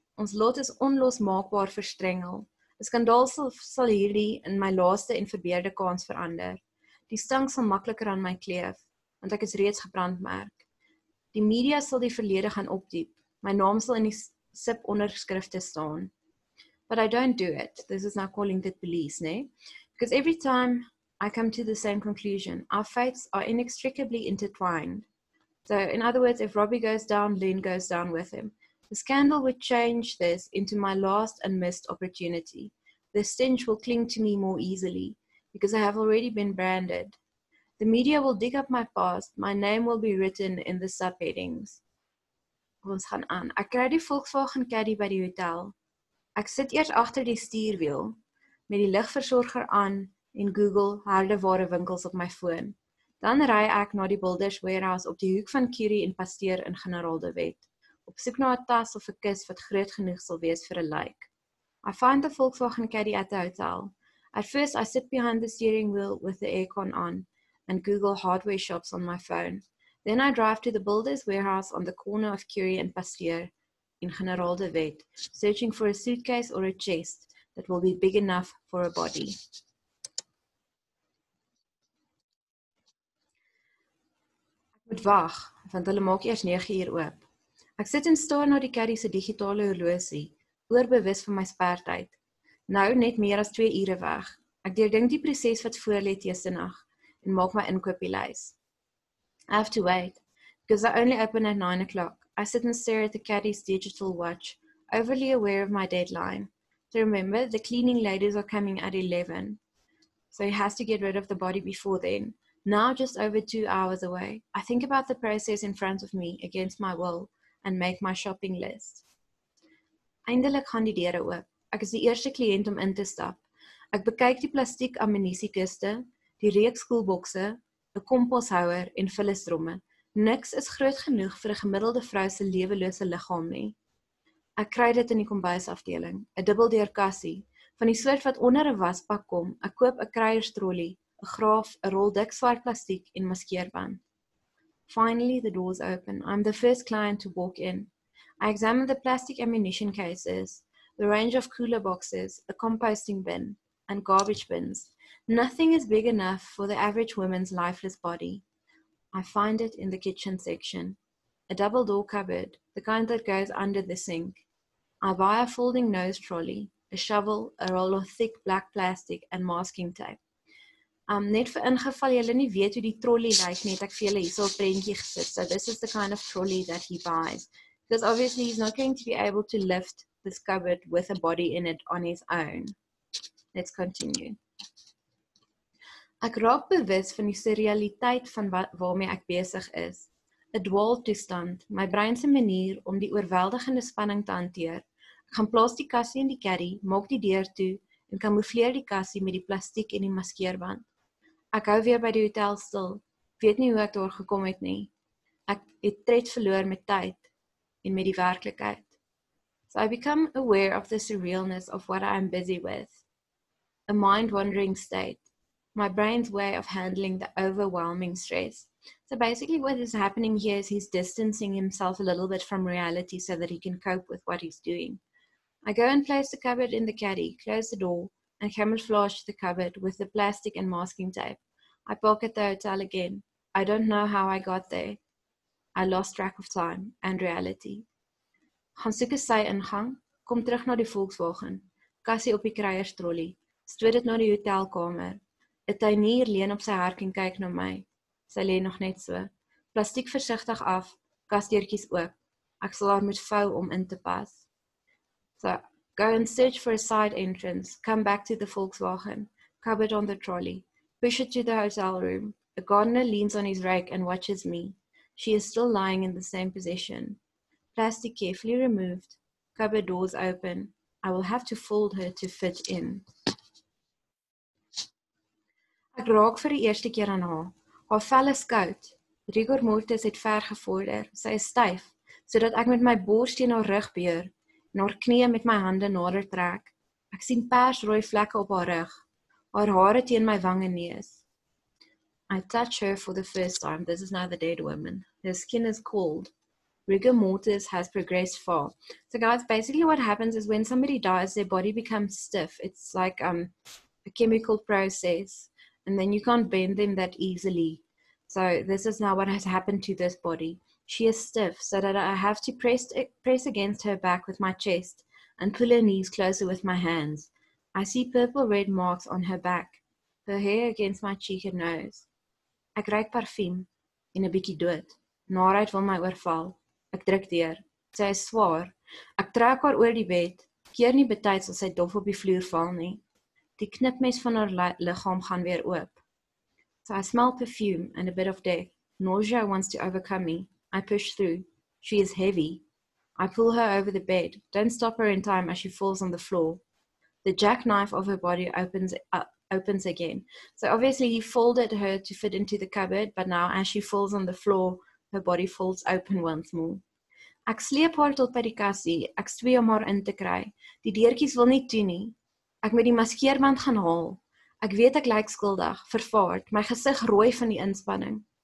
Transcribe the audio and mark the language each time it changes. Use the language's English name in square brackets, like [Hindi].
[Afrikaans] Ons lot is onlosmaakbaar verstrengel. 'N skandaal sal hierdie in my laaste en verbeerde kans verander. Die stink sal makliker aan my kleef, want ek is reeds gebrandmerk. Die media sal die verlede gaan opdiep. My naam sal in die sip onderskrifte staan. [English] But I don't do it. This is now calling the police, nee? Because every time I come to the same conclusion, our fates are inextricably intertwined. So in other words, if Robbie goes down, Len goes down with him. The scandal would change this into my last and missed opportunity. The stench will cling to me more easily because I have already been branded. The media will dig up my past. My name will be written in the subheadings. [Afrikaans] Ons gaan aan. Ek kry die Volkswagen caddy by die hotel. Ek sit eers agter die stuurwiel, met die ligversorger aan en Google hardeware winkels op my foon. Dan ry ek na die Builders Warehouse op die hoek van Currie en Pasteur in Generaal de Wet, op soek na 'n tas of 'n kis wat groot genoeg sal wees vir 'n lijk. [English] I find the Volkswagen Caddy at the hotel. At first, I sit behind the steering wheel with the aircon on and Google hardware shops on my phone. Then I drive to the builder's warehouse on the corner of Curie and Pasteur in General de Wet, searching for a suitcase or a chest that will be big enough for a body. [Afrikaans] Ek moet wag, want hulle maak eers 9 uur oop. Ek sit en staar na die caddy se digitale horlosie, oorbewus van my spertyd. Nou net meer as 2 ure weg. Ek deurdink die proses wat voor lê teesenag en maak my inkopieslys. [English] I have to wait, because I only open at 9 o'clock. I sit and stare at the caddy's digital watch, overly aware of my deadline. So remember, the cleaning ladies are coming at 11, so he has to get rid of the body before then. Now just over 2 hours away, I think about the process in front of me, against my will, and make my shopping list. [Afrikaans] Eindelijk gaan die deure oop. Ek is die eerste kliënt om in te stap. Ek bekyk die plastiek ammunisiekiste, die reeks koelbokse, 'n komposhouer en vullisdromme. Niks is groot genoeg vir 'n gemiddelde vrou se lewelose liggaam nie. Ek kry dit in die kombuisafdeling, 'n dubbeldeur kassie, van die soort wat onder 'n wasbak kom. Ek koop 'n kruierstrolly, 'n graaf, 'n rol dik swart plastiek en maskeerband. [English] Finally the doors open. I'm the first client to walk in. I examine the plastic ammunition cases, the range of cooler boxes, a composting bin, and garbage bins. Nothing is big enough for the average woman's lifeless body. I find it in the kitchen section. A double door cupboard, the kind that goes under the sink. I buy a folding nose trolley, a shovel, a roll of thick black plastic and masking tape. [Afrikaans] Net vir ingeval julle nie weet hoe die trolley lyk nie, het ek vir julle hierso 'n prentjie gesit. [English] So this is the kind of trolley that he buys. Because obviously he's not going to be able to lift this cupboard with a body in it on his own. Let's continue. [Afrikaans] Ek raak bewus van die surrealiteit van waarmee ek besig is. 'N dwaaltoestand, my brein se manier om die oorweldigende spanning te hanteer. Ek gaan plaas die kassie in die carry, maak die deur toe en kamoufleer die kassie met die plastiek en die maskeerband. Ek hou weer by die hotel stil, weet nie hoe ek daar gekom het nie. Ek het tred verloor met tyd en met die werklikheid. [English] So I become aware of the surrealness of what I am busy with. A mind-wandering state. My brain's way of handling the overwhelming stress. So basically what is happening here is he's distancing himself a little bit from reality so that he can cope with what he's doing. I go and place the cupboard in the caddy, close the door, and camouflage the cupboard with the plastic and masking tape. I park at the hotel again. I don't know how I got there. I lost track of time and reality. [Afrikaans] Gaan soek 'n sy-ingang, kom terug na die Volkswagen, kassie op die kruierstrolly, stoot dit na die hotelkamer. 'N tuinier leun op sy hark en kyk na my. Sy lê nog net so. Plastiek versigtig af, kasdeurtjies oop. Ek sal haar moet vou om in te pas. [English] So, go and search for a side entrance. Come back to the Volkswagen. Cupboard on the trolley. Push it to the hotel room. A gardener leans on his rake and watches me. She is still lying in the same position. Plastic carefully removed. Cupboard doors open. I will have to fold her to fit in. [Afrikaans] Ek raak vir die eerste keer aan haar. Haar vel is koud. Rigor mortis het ver gevorder. Sy is styf, sodat ek met my bors teen haar rug beur en haar knieë met my hande nader trek. Ek sien persrooi vlekke op haar rug. Haar hare teen my wange neus. [English] I touch her for the first time. This is now the dead woman. Her skin is cold. Rigor mortis has progressed far. So guys, basically what happens is when somebody dies, their body becomes stiff. It's like a chemical process. And then you can't bend them that easily. So this is now what has happened to this body. She is stiff so that I have to press against her back with my chest and pull her knees closer with my hands. I see purple red marks on her back, her hair against my cheek and nose. [Afrikaans] Ek ruik parfum en 'n bietjie dood. Naarheid wil my oorval. Ek druk deur. Sy is swaar. Ek trek haar oor die bed. Keer nie betyds as sy dof op die vloer val nie. Die knipmes van haar liggaam gaan weer oop. [English] So I smell perfume and a bit of death. Nausea wants to overcome me. I push through. She is heavy. I pull her over the bed. Don't stop her in time as she falls on the floor. The jackknife of her body opens again. So obviously he folded her to fit into the cupboard, but now as she falls on the floor, her body folds open once more. [Afrikaans] Ek sleep haar tot by die kassie, ek stwee om haar in te kry. Die deurkies wil nie toe nie. Ek moet die maskeerband gaan haal. Ek weet ek lyk skuldig, vervaard, my gesig rooi van die inspanning.